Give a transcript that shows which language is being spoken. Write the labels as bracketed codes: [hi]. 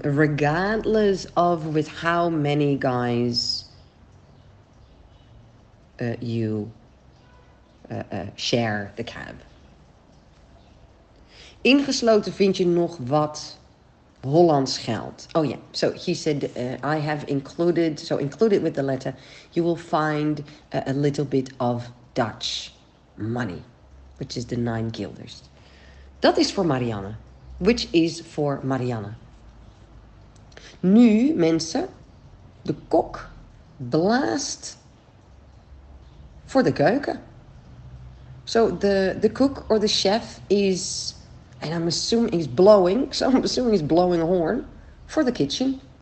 [en] Regardless of with how many guys you share the cab. [nl] Ingesloten vind je nog wat Hollands geld. [en] Oh yeah, so he said, I have included, so included with the letter, you will find a little bit of Dutch money, which is the 9 guilders. [nl] Dat is voor Marianne. [en] Which is for Marianne. [nl] Nu, mensen, de kok blaast voor de keuken. [en] So the cook or the chef is, and I'm assuming he's blowing, so I'm assuming he's blowing a horn for the kitchen.